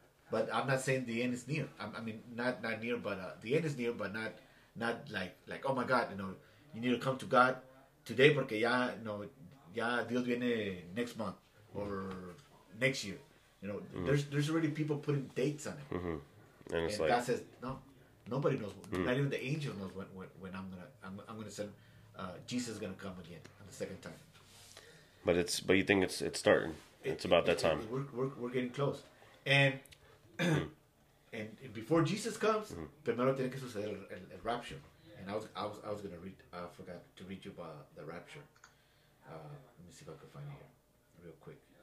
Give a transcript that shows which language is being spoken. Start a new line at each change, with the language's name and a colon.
English: But I'm not saying the end is near. I mean, not near, but the end is near, but not like, oh my God, you know, you need to come to God today,
Spanish: porque ya,
English: you know,
Spanish: ya Dios viene
English: next month or next year. You know, mm-hmm. there's already people putting dates on it. Mm-hmm. And it's like, God says, no, nobody knows, not even the angel knows when I'm gonna send, Jesus is going to come again the second time. But you think it's starting. It's about that time. We're getting close. And... and before Jesus comes,
Spanish: primero tiene que suceder el
English: rapture. And I was gonna read. I forgot to read you about the rapture. Let me see if I can find it here, real quick.